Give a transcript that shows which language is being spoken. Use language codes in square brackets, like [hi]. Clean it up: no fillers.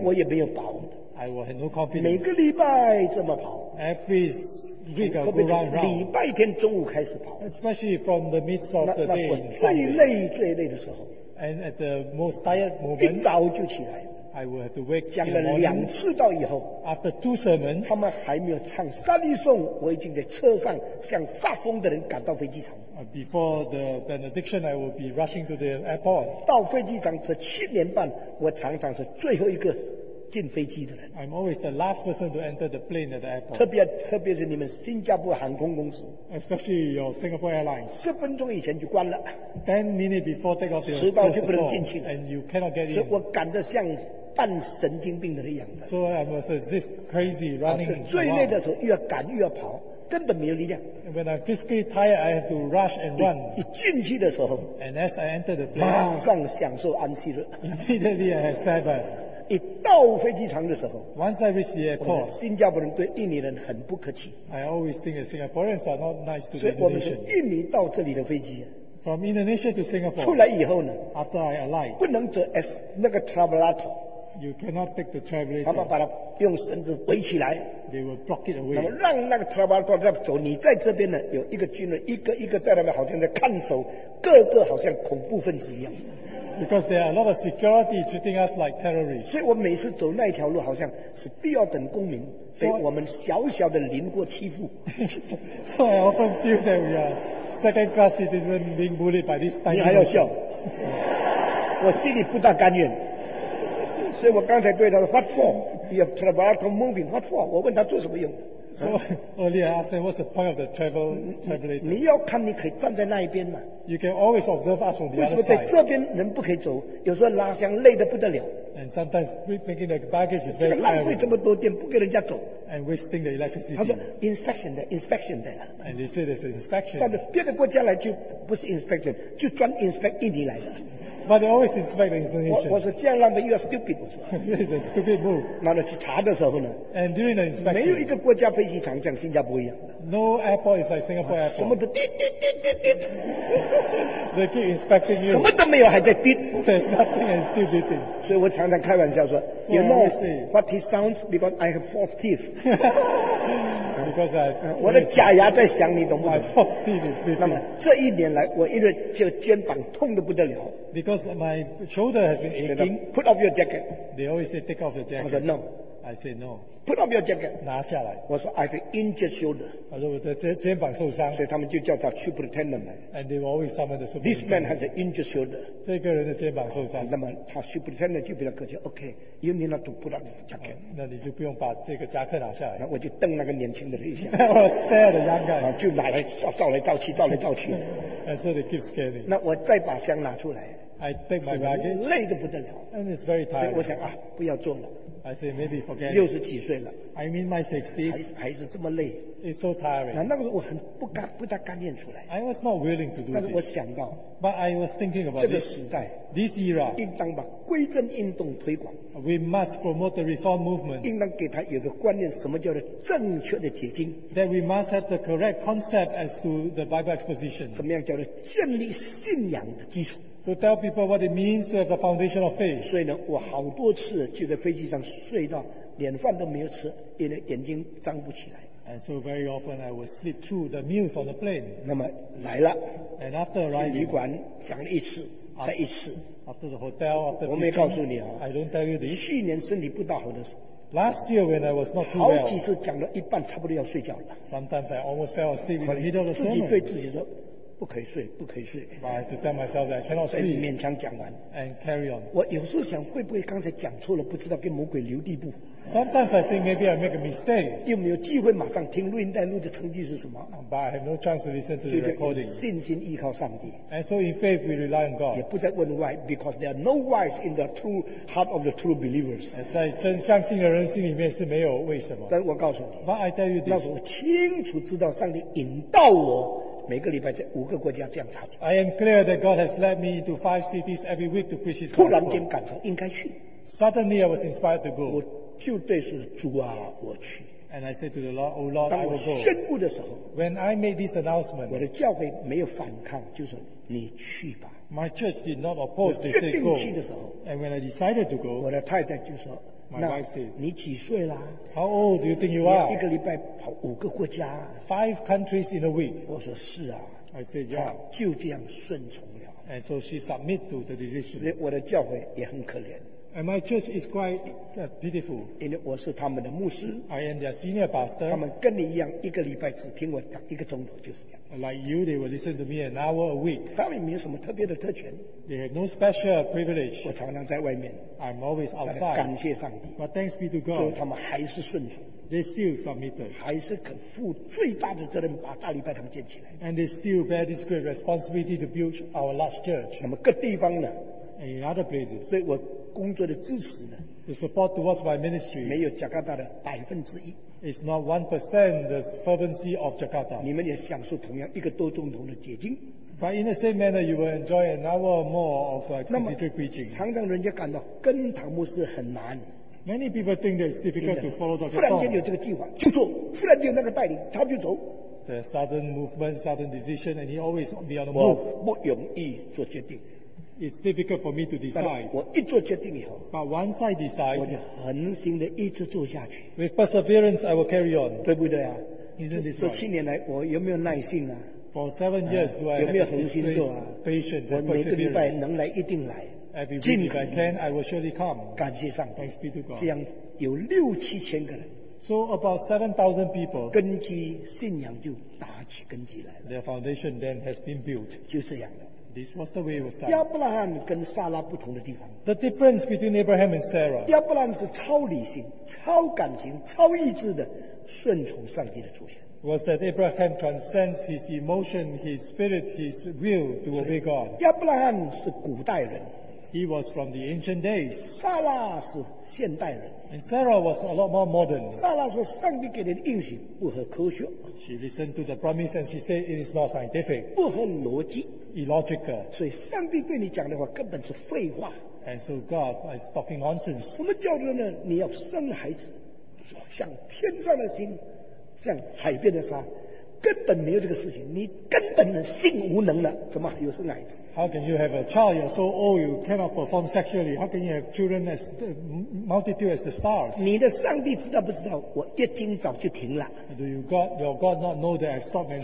[zh] 我也没有把握。 [en] I had no confidence. [zh] 每个礼拜这么跑， [en] every week I go round round. [zh] 礼拜天中午开始跑， [en] especially from the midst of the day. [zh] 最累的时候， [en] and at the most tired moment, [zh] 一早就起来。 [en] I will have to wake [zh] 讲了两次到以后 [en] after two sermons, [zh] 他们还没有唱三一颂，我已经在车上像发疯的人赶到飞机场。 [en] Before the benediction, I will be rushing to the airport. [zh] 到飞机场这七年半，我常常是最后一个进飞机的人。 [en] I'm always the last person to enter the plane at the airport. [zh] 特别是你们新加坡航空公司， [en] especially your Singapore Airlines. [zh] 十分钟以前就关了， [en] 10 minutes before takeoff, [zh] 迟到就不能进去， [en] and you cannot get in. [zh] 所以我赶得像半神经病的那样的。 [en] So I was as if crazy running. [zh] 最累的时候，越赶越跑，根本没有力量。 [en] When I'm physically tired, I have to rush and run. [zh] 一进去的时候 [en] ，And as I entered the plane, [zh] 马上享受安息日。 [en] Immediately I had Sabbath. [zh] 一到飞机场的时候 [en] ，Once I reached the airport, [zh] 新加坡人对印尼人很不客气。 [en] I always think that Singaporeans are not nice to the Indonesian. [zh] 所以我们是印尼到这里的飞机。 [en] From Indonesia to Singapore. [zh] 出来以后呢 [en] ？After I alight, [zh] 不能坐 as 那个 travelator。 [en] You cannot take the travelator. [zh] 他们把它用绳子围起来。 [en] They will block it away. [zh] 那么让那个 travelator 在走，你在这边呢，有一个军人一个一个在那边，好像在看守，个个好像恐怖分子一样。 [en] Because there are a lot of security treating us like terrorists. [zh] 所以我每次走那条路，好像是第二等公民，被我们小小的邻国欺负。 [en] So I often feel that we are second-class citizens being bullied by this tiny. [zh] 你还要笑？我心里不大甘愿。所以我刚才对他说 ， [en] What for? You have traveled to moving. What for? [zh] 我问他做什么用？ [en] So earlier I asked him, what's the point of the travel travelator? [zh] 你要看你可以站在那一边嘛。 [en] You can always observe us from the other side. [zh] 为什么在这边人不可以走？有时候拉箱累得不得了。 [en] And sometimes making the baggage is very tiring. [zh] 浪费这么多电不给人家走。 [en] And wasting the electricity. [zh] 他说 [en] inspection there, inspection there. And they say there's an inspection. [zh] 但是别的国家来就不是 inspection, 就专 inspect 印尼来的。 [en] But they always inspect the installation. [zh] 我说这样浪费 ， [en] you are stupid. [zh] 我说 [en] ，it's a stupid move. [zh] 那么去查的时候呢 [en] ？And during the inspection, [zh] 没有一个国家飞机场像新加坡一样。 [en] No airport is like Singapore airport. [zh] 什么都滴滴滴滴滴。 [en] They keep inspecting you. [zh] 什么都没有还在滴。 [en] There's nothing and still beeping. [zh] 所以我常常开玩笑说 [en] ，you know what he sounds because I have false teeth. Because I [zh] 我的假牙在响，你懂不懂 [en] ？My false teeth is beeping. [zh] 那么这一年来，我因为这肩膀痛得不得了。 [en] Because my shoulder has been aching. Put off your jacket. They always say, take off your jacket. I said, no. I said, no. Put off your jacket. [zh] 拿下来。我说 [en] I have an injured shoulder. [zh] 他说我的肩膀受伤。所以他们就叫他 superintendent. [en] And they will always summon the superintendent. This man has an injured shoulder. [zh] 这个人的肩膀受伤。那么他 [en] superintendent [zh] 就比较客气 [en] ，OK, you need not to put off your jacket. [zh] 那你就不用把这个夹克拿下来。那我就瞪那个年轻的人一下。我 [en] stare the young guy. [zh] 就拿来照来照去，照来照去。 [en] And so they keep scanning. [zh] 那我再把箱拿出来。 [en] I take my baggage. [zh] 累得不得了。 [en] And it's very tired. [zh] 所以我想啊，不要做了。 [en] I say maybe forget. [zh] 六十几岁了。 [en] I'm in my sixties. [zh] 还是这么累。 [en] It's so tiring. [zh] 那个我很不大甘愿出来。 [en] I was not willing to do this. [zh] 但是我想到。 [en] But I was thinking about this. [zh] 这个时代。 [en] This era. [zh] 应当把归正运动推广。 [en] We must promote the reform movement. [zh] 应当给他有个观念，什么叫做正确的解经。 [en] That we must have the correct concept as to the Bible exposition. [zh] 怎么样叫做建立信仰的基础。 [en] To tell people what it means to have the foundation of faith. [zh] 所以呢，我好多次就在飞机上睡到连饭都没有吃，因为眼睛张不起来。 [en] And so very often I would sleep through the meals on the plane. [zh] 那么来了 [en] ，And after arriving, [zh] 去旅馆讲了一次，再一次。 [en] After the hotel, after the meal, [zh] 我没告诉你啊 [en] ，I don't tell you this. [zh] 去年身体不大好的时候 [en] ，Last year when I was not too well, [zh] 好几次讲到一半差不多要睡觉了。 [en] Sometimes I almost fell asleep in the middle of the sermon. [zh] 自己对自己说。不可以睡，不可以睡。 [en] But I have to tell myself that I cannot sleep. [zh] 所以勉强讲完。 [en] And carry on. [zh] 我有时候想，会不会刚才讲错了，不知道给魔鬼留地步。 [en] Sometimes I think maybe I make a mistake. [zh] 又没有机会马上听录音带录的成绩是什么。 [en] But I have no chance to listen to the recording. [zh] 信心依靠上帝。 [en] And so in faith we rely on God. [zh] 也不再问 [en] why, because there are no whys in the true heart of the true believers. [zh] 在真相信的人心里面是没有为什么。但我告诉你。 [en] But I tell you this. [zh] 那时候我清楚知道上帝引导我。每个礼拜在五个国家这样查经。 [en] I am clear that God has led me to five cities every week to preach His gospel. [zh] 突然间感到应该去。 [en] Suddenly I was inspired to go. [zh] 我就对说主啊，我去。 [en] And I said to the Lord, Oh Lord, I will go. [zh] 当我宣布的时候 [en] ，When I made this announcement, [zh] 我的教会没有反抗，就说你去吧。 [en] My church did not oppose. They said go. [zh] 我决定去的时候 [en] ，And when I decided to go, [zh] 我的太太就说 [en] ，My wife said, [zh] 你几岁啦 [en] ？How old do you think you are? [zh] 一个礼拜跑五个国家。 [en] Five countries in a week. [zh] 我说是啊。 [en] I said yeah. [zh] 就这样顺从了。 [en] And so she submit to the decision. [zh] 所以我的教会也很可怜。 [en] And my church is quite pitiful. [zh] 因为我是他们的牧师。 [en] I am their senior pastor. [zh] 他们跟你一样，一个礼拜只听我讲一个钟头，就是这样。 [en] Like you, they will listen to me an hour a week. [zh] 他们没有什么特别的特权。 [en] They have no special privilege. [zh] 我常常在外面。 [en] I'm always outside. [zh] 感谢上帝。 [en] But thanks be to God. [zh] 所以他们还是顺从。 [en] They still submitted. [zh] 还是肯负最大的责任把大礼拜堂建起来。 [en] And they still bear this great responsibility to build our large church. [zh] 那么各地方呢 [en] ？And in other places. [zh] 所以我工作的支持呢 [en] ？The support towards my ministry. [zh] 没有加拿大的百分之一。 [en] It's not 1% the fervency of Jakarta. [zh] 你们也享受同样一个多钟头的解经。 [en] But in the same manner, you will enjoy an hour or more of concentrated preaching. [zh] 常常人家感到跟堂牧师很难。 [en] Many people think that it's difficult to follow the [zh] plan. 忽然间有这个计划就做，忽然间有那个带领他就走。 [en] The sudden movement, sudden decision, and he always be on the move. [zh] 不容易做决定。 [en] It's difficult for me to decide. [zh] 我一做决定以后 [en] ，But once I decide, [zh] 我就恒心的一直做下去。 [en] With perseverance, I will carry on. [zh] 对不对啊？你说这七年来我有没有耐心啊 [en] ？For 7 years, do I have patience? [zh] 我每个礼拜能来一定来。尽可能 [en] then I will surely come. [zh] 感谢上帝 [en] Thanks be to God. [zh] 这样有六七千个人 [en] So about 7,000 people [zh] 根基信仰就打起根基来了 [en] Their foundation then has been built. [zh] 就这样的 [en] This was the way it was done. [zh] 亚伯拉罕跟撒拉不同的地方 [en] The difference between Abraham and Sarah [zh] 亚伯拉罕是超理性超感情超意志的顺从上帝的主权 [en] Was that Abraham transcends his emotion, his spirit, his will to obey God? [zh] Abraham 是古代人 [en] He was from the ancient days. [zh] Sarah 是现代人 [en] And Sarah was a lot more modern. [zh] Sarah 说上帝给的应许不合科学 [en] She listened to the promise and she said it is not scientific. [zh] 不合逻辑 [en] Illogical. [zh] 所以上帝对你讲的话根本是废话 [en] And so God is talking nonsense. [zh] 我们教人呢，你要生孩子，像天上的心。像海边的沙，根本没有这个事情。你根本的性无能了，怎么有生孩子 [en] ？How can you have a child? You're so old, you cannot perform sexually. How can you have children as the multitude as the stars? [zh] 你的上帝知道不知道？我一今早就停了。 [en] Do you God, your God not know that I stop and